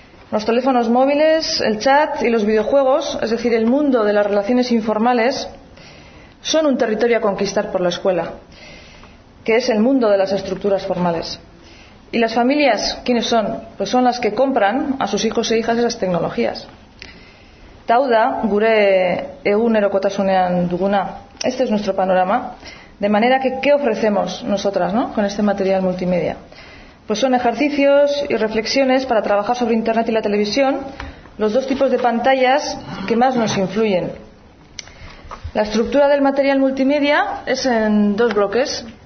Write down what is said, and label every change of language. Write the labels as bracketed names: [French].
[Spanish] Los teléfonos móviles, el chat y los videojuegos, es decir, el mundo de las relaciones informales, son un territorio a conquistar por la escuela, que es el mundo de las estructuras formales. ¿Y las familias quiénes son? Pues son las que compran a sus hijos e hijas esas tecnologías. [Basque] Tauda, gure egunerokotasunean duguna. [Spanish] Este es nuestro panorama. De manera que, ¿qué ofrecemos nosotras, ¿no?, con este material multimedia? Pues son ejercicios y reflexiones para trabajar sobre Internet y la televisión, los dos tipos de pantallas que más nos influyen. La estructura del material multimedia es en dos bloques.